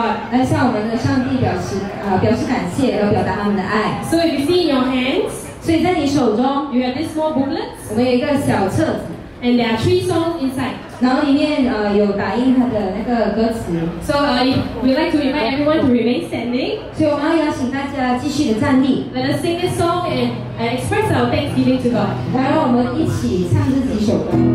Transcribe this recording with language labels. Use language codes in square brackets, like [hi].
[zh] 来向我们的上帝表示啊、表示感谢，要表达他们的爱。 [en] So if you see in your hands, [zh] 所以在你手中 [en] ，you have this small booklet， [zh] 我们有一个小册子 [en] ，and there are three songs inside。 [zh] 然后里面有打印它的那个歌词。 [en] So we'd like to invite everyone to remain standing。 [zh] 所以我们要邀请大家继续的站立。 [en] Let us sing this song and express our thanksgiving to God。 [zh] 来，让我们一起唱这几首歌。